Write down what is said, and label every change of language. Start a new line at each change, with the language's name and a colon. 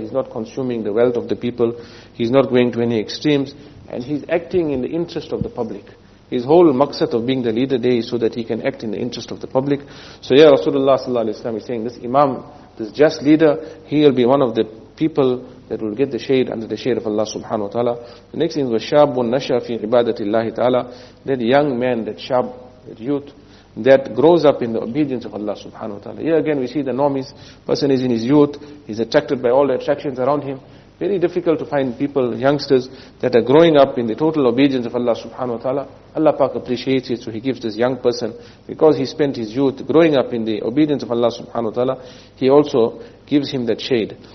English: He's not consuming the wealth of the people, he's not going to any extremes, and he's acting in the interest of the public. His whole maqsad of being the leader there is so that he can act in the interest of the public. So yeah, Rasulullah sallallahu alayhi wa sallam is saying, this imam, this just leader, he will be one of the people that will get the shade under the shade of Allah subhanahu wa ta'ala. The next thing is,
Arabic: وَشَابٌ نَشَى فِي عِبَادَةِ اللَّهِ تَعَالَى.
English: That young man, that shab, that youth, that grows up in the obedience of Allah subhanahu wa ta'ala. Here again we see the norm is, person is in his youth, he's attracted by all the attractions around him. Very difficult to find people, youngsters, that are growing up in the total obedience of Allah subhanahu wa ta'ala. Allah Pak appreciates it, so he gives this young person, because he spent his youth growing up in the obedience of Allah subhanahu wa ta'ala, he also gives him that shade.